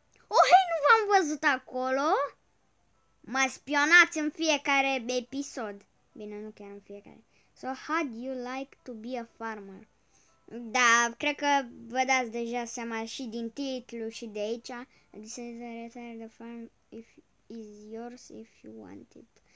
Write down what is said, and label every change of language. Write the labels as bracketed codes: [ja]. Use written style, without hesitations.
[ro] Oh, hei, nu v-am văzut acolo! Mă spionați în fiecare episod. Bine, nu chiar în fiecare. [en] So, how do you like to be a farmer? [ro] Da, cred că vă dați deja seama și din titlu și de aici. [en] This is the letter of the farm if is yours if you want it.